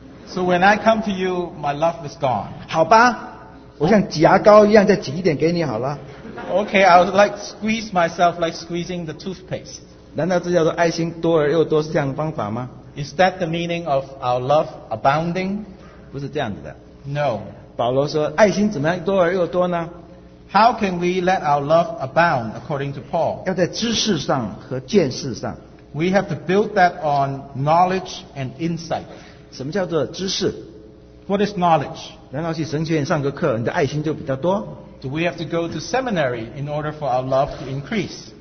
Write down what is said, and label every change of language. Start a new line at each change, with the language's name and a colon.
English: So when I come to you, my love is gone.
Chinese: 好吧，我像挤牙膏一样再挤一点给你好了。
English: Okay, I would like squeeze myself like squeezing the toothpaste.
Chinese: 难道这叫做爱心多而又多是这样的方法吗？
English: Is that the meaning of our love abounding?
Chinese: 不是这样子的。
English: No.
Chinese: 保罗说，爱心怎么样多而又多呢？
English: How can we let our love abound according to Paul?
Chinese: 要在知识上和见识上。
English: We have to build that on knowledge and insight.
Chinese: 什么叫做知识？
English: What is knowledge?
Chinese: 难道去神学院上个课，你的爱心就比较多？
English: Do we have to go to seminary in order for our love to increase?